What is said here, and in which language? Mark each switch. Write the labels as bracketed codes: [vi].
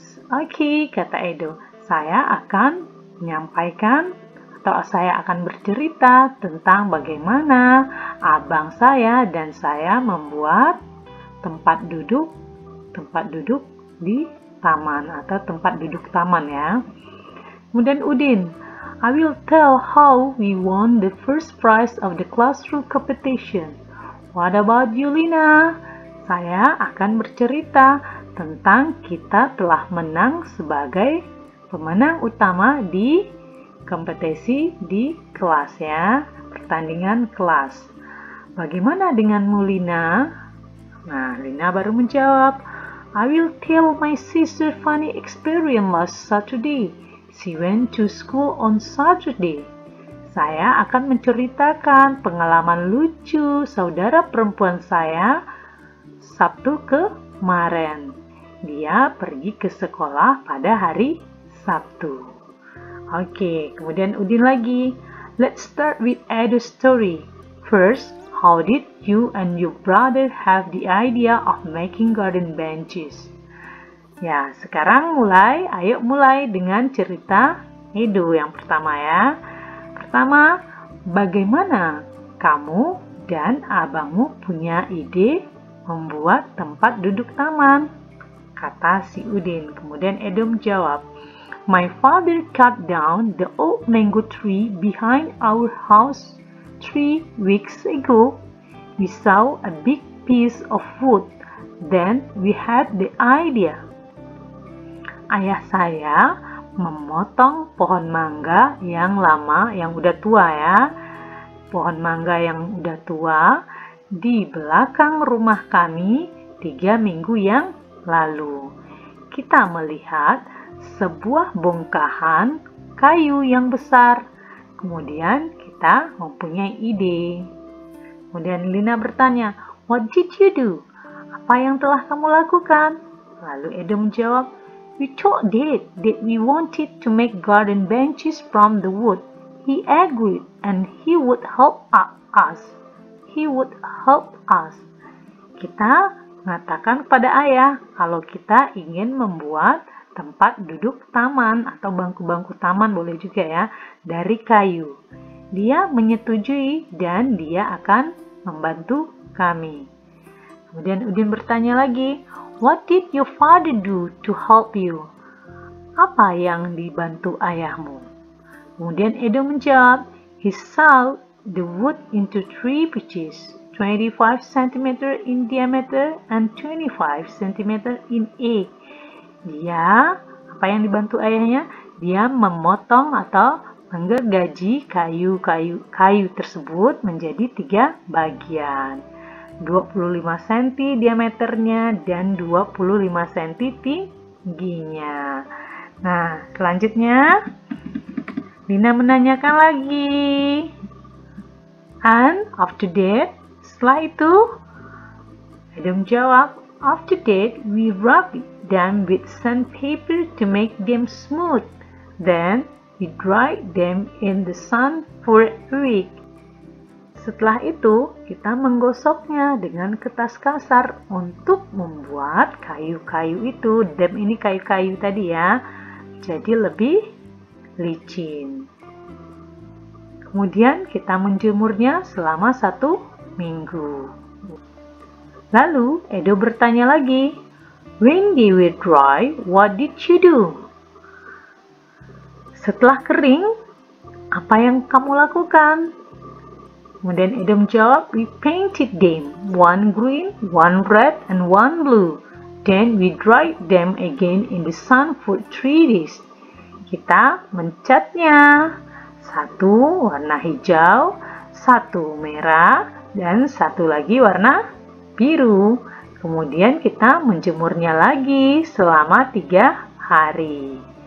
[id] Okay, kata Edo, saya akan menyampaikan atau saya akan bercerita tentang bagaimana abang saya dan saya membuat tempat duduk di taman atau tempat duduk taman ya. [en] Kemudian Udin, I will tell how we won the first prize of the classroom competition. What about you, Lina? [id] Saya akan bercerita tentang kita telah menang sebagai pemenang utama di kompetisi di kelas ya, pertandingan kelas. Bagaimana denganmu, Lina? Nah, Lina baru menjawab, [en] I will tell my sister funny experience last Saturday. She went to school on Saturday. [id] Saya akan menceritakan pengalaman lucu saudara perempuan saya Sabtu kemarin. Dia pergi ke sekolah pada hari Sabtu. Oke, kemudian Udin lagi. [en] Let's start with Edo's story. First, how did you and your brother have the idea of making garden benches? [id] Ya, sekarang mulai, ayo mulai dengan cerita Edo yang pertama ya. Pertama, bagaimana kamu dan abangmu punya ide membuat tempat duduk taman? Kata si Udin. Kemudian Edo menjawab, [en] my father cut down the old mango tree behind our house 3 weeks ago. We saw a big piece of wood, then we had the idea. [id] Ayah saya memotong pohon mangga yang lama, yang udah tua ya. Pohon mangga yang udah tua di belakang rumah kami 3 minggu yang lalu. Kita melihat sebuah bongkahan kayu yang besar. Kemudian kita mempunyai ide. Kemudian Lina bertanya, [en] "What did you do?" [id] Apa yang telah kamu lakukan? Lalu Edo menjawab, [en] "We told Dad that we wanted to make garden benches from the wood. He agreed and he would help us. He would help us." [id] Kita mengatakan kepada ayah kalau kita ingin membuat tempat duduk taman atau bangku-bangku taman boleh juga ya, dari kayu. Dia menyetujui dan dia akan membantu kami. Kemudian Udin bertanya lagi, [en] "What did your father do to help you?" [id] Apa yang dibantu ayahmu? Kemudian Edo menjawab, [en] "He sawed the wood into three pieces, 25 cm in diameter and 25 cm in age." [id] Dia, apa yang dibantu ayahnya? Dia memotong atau menggergaji kayu-kayu tersebut menjadi tiga bagian. 25 cm diameternya dan 25 cm tingginya. Nah, selanjutnya Lina menanyakan lagi. [en] "And after that?" [id] Setelah itu Adam jawab, [en] "After that we rub them with sandpaper to make them smooth. Then we dry them in the sun for a week." [id] Setelah itu, kita menggosoknya dengan kertas kasar untuk membuat kayu-kayu itu, dem ini kayu-kayu tadi ya, jadi lebih licin. Kemudian kita menjemurnya selama satu minggu. Lalu, Edo bertanya lagi, [en] "When they were dry, what did you do?" [id] Setelah kering, apa yang kamu lakukan? Kemudian Adam jawab, [en] "We painted them, one green, one red, and one blue. Then we dried them again in the sun for 3 days." [id] Kita mencatnya, satu warna hijau, satu merah, dan satu lagi warna biru. Kemudian kita menjemurnya lagi selama 3 hari.